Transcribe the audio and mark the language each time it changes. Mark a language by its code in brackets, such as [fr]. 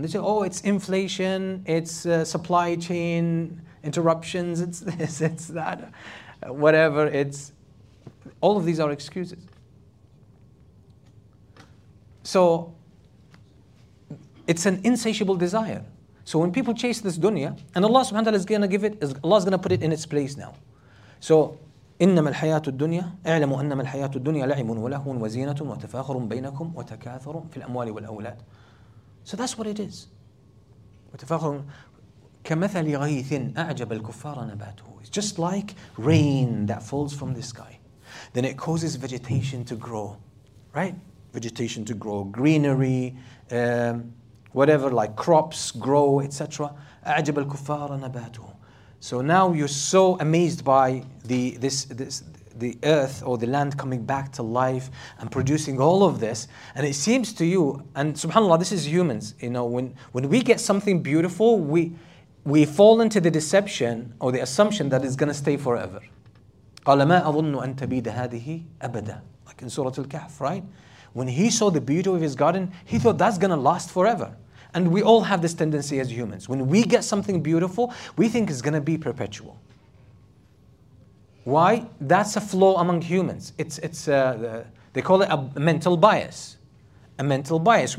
[en] They say, oh, it's inflation, it's supply chain interruptions, it's this, it's that, whatever. It's all of these are excuses. So it's an insatiable desire. So when people chase this dunya, and Allah subhanahu wa ta'ala is going to give it, Allah is going to put it in its place now. [ar] So إنما الحياة الدنيا اعلموا أنما الحياة الدنيا لعب ولهو وزينة وتفاخر بينكم وتكاثر في الأموال والأولاد. [en] So that's what it is. [ar] وتفاخر كمثل غيث أعجب الكفار نباته. [en] It's just like rain that falls from the sky. Then it causes vegetation to grow, right? Vegetation to grow, greenery, whatever, like crops grow, etc. [ar] أعجب الكفار نباته. [en] So now you're so amazed by the earth or the land coming back to life and producing all of this. And it seems to you, and subhanAllah, this is humans, you know, when we get something beautiful, we we fall into the deception or the assumption that it's going to stay forever. [ar] قَالَ مَا أَظُنُّ أَن تَبِيدَ هَذِهِ أَبَدًا. [en] Like in Surah Al-Kahf, right? When he saw the beauty of his garden, he thought that's going to last forever. And we all have this tendency as humans. When we get something beautiful, we think it's going to be perpetual. Why? That's a flaw among humans. They call it a mental bias. A mental bias.